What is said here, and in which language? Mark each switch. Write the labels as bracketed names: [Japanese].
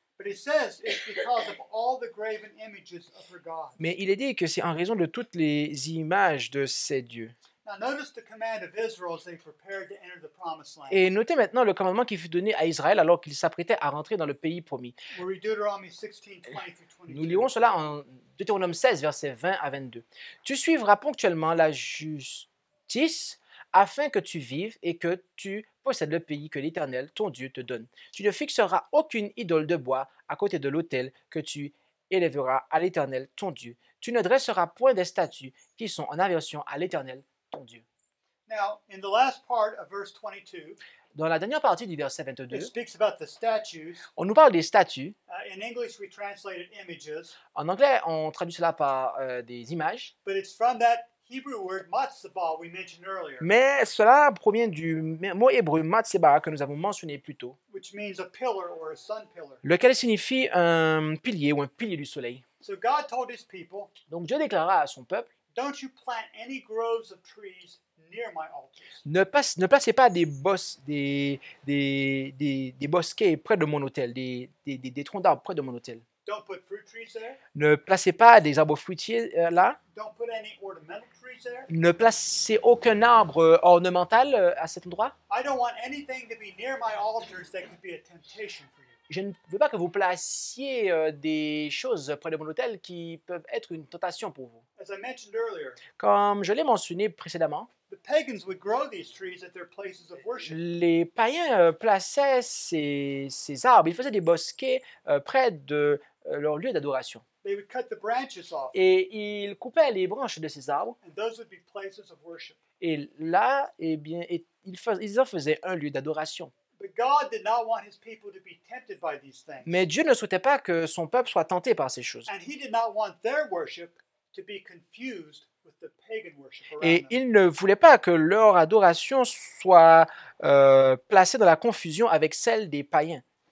[English] But it says it's because of all the graven images of her gods. [French] Mais il est dit que c'est en raison de toutes les images de ses dieux. [English] Now notice the command of Israel as they prepared to enter the promised land. [French] Et notez maintenant le commandement qui fut donné à Israël alors qu'il s'apprêtait à rentrer dans le pays promis. [English] We'll read Deuteronomy 16, 20-22. [French] Nous lirons cela en Deutéronome 16, versets 20 à 22. Tu suivras ponctuellement la justice afin que tu vives et que tu possèdes le pays que l'Éternel, ton Dieu, te donne. Tu ne fixeras aucune idole de bois à côté de l'autel que tu élèveras à l'Éternel, ton Dieu. Tu ne dresseras point des statues qui sont en aversion à l'Éternel. [English] Now, in the last part of verse 22, [French] dans la dernière partie du verset 22, [English] it speaks about the statues. [French] On nous parle des statues. [English] In English, we translate it images. [French] En anglais, on traduit cela par des images. [English] But it's from that Hebrew word matzebah we mentioned earlier. [French] Mais cela provient du mot hébreu matzebah que nous avons mentionné plus tôt. [English] Which means a pillar or a sun pillar. [French] Lequel signifie un pilier ou un pilier du soleil. [English] So God told His people. [French] Donc Dieu déclara à son peuple. [English] Don't you plant any groves of trees near my altars? [French] Ne placez pas des bosquets près de mon autel, des troncs d'arbres près de mon autel. [English] Don't put fruit trees there. [French] Ne placez pas des arbres fruitiers là. [English] Don't put any ornamental trees there. [French] Ne placez aucun arbre ornemental à cet endroit. [English] I don't want anything to be near my altars that could be a temptation for you. [French] Je ne veux pas que vous placiez des choses près de mon hôtel qui peuvent être une tentation pour vous. [English] As I mentioned earlier, [French] comme je l'ai mentionné précédemment, [English] the pagans would grow these trees at their places of worship. [French] Les païens plaçaient ces arbres, ils faisaient des bosquets près de leur lieu d'adoration. [English] They would cut the branches off. [French] Et ils coupaient les branches de ces arbres. [English] And those would be places of worship. [French] Et là, eh bien, ils en faisaient un lieu d'adoration. [English] But God did not want His people to be tempted by these things. [French] Mais Dieu ne souhaitait pas que son peuple soit tenté par ces choses. [English] And He did not want their worship to be confused [French] Et ils ne voulaient pas que leur adoration soit placée dans la confusion avec celle des païens.